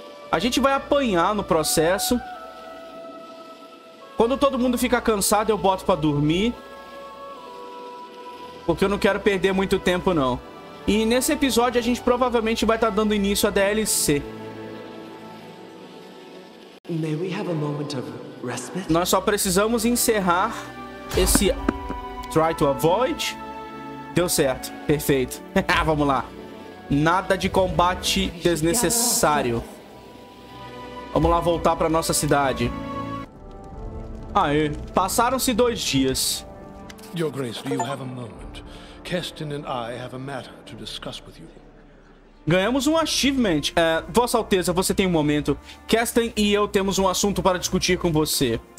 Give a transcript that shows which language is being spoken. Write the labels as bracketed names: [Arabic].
[Portuguese] A gente vai apanhar no processo. Quando todo mundo fica cansado, eu boto pra dormir. Porque eu não quero perder muito tempo, não. E nesse episódio, a gente provavelmente vai estar dando início à DLC. [English] May we have a moment of respite? [Portuguese] Nós só precisamos encerrar esse [English] try to avoid. [Portuguese] Deu certo. Perfeito. Vamos lá. Nada de combate desnecessário. Vamos lá voltar pra nossa cidade. Aê, passaram-se 2 dias. [English] Your Grace, do you have a moment? Kestin and I have a matter to discuss with you. [Portuguese] Ganhamos um achievement. Vossa Alteza, você tem um momento. Kestin e eu temos um assunto para discutir com você.